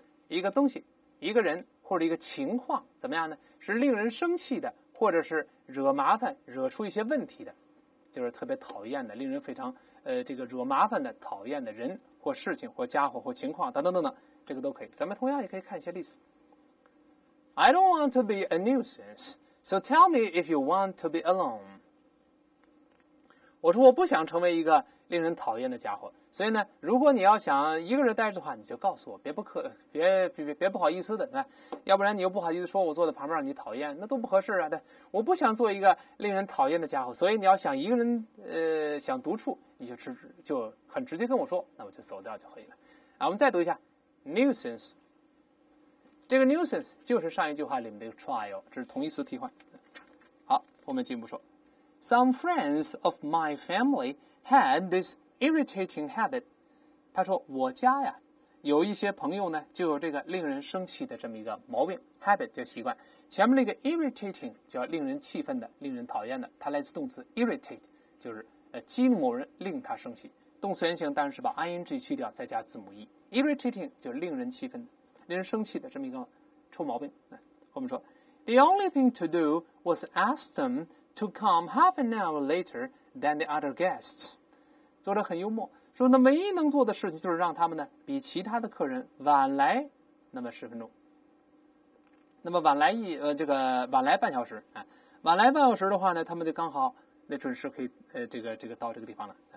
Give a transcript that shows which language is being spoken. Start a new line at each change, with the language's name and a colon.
Chinese: 一个东西，一个人，或者一个情况怎么样呢？是令人生气的，或者是惹麻烦、惹出一些问题的，就是特别讨厌的、令人非常这个惹麻烦的、讨厌的人或事情或家伙或情况等等等等，这个都可以。咱们同样也可以看一些例子。
English: I don't want to be a nuisance, so tell me if you want to be alone.
Chinese: 我说我不想成为一个令人讨厌的家伙，所以呢，如果你要想一个人待着的话，你就告诉我，别不好意思的，对，要不然你又不好意思说我坐在旁边让你讨厌，那都不合适啊。对，我不想做一个令人讨厌的家伙，所以你要想一个人想独处，你就很直接跟我说，那我就走掉就可以了。啊，我们再读一下 nuisance。这个 nuisance 就是上一句话里面的一个 trial， 这是同义词替换。好，我们进一步说。
English: Some friends of my family had this irritating habit.
Chinese: 他说我家呀有一些朋友呢就有这个令人生气的这么一个毛病， habit 就习惯。前面那个 irritating 叫令人气愤的、令人讨厌的，它来自动词 irritate， 就是激怒某人，令他生气。动词原形当然是把 ing 去掉再加字母 e， irritating 就令人气愤的、令人生气的这么一个臭毛病。我们说
English: The only thing to do was ask them to come half an hour later than the other guests.
Chinese: 作者很幽默，说那唯一能做的事情就是让他们呢比其他的客人晚来那么十分钟。那么晚来晚来半小时，晚来半小时的话呢，他们就刚好那准时可以这个到这个地方了。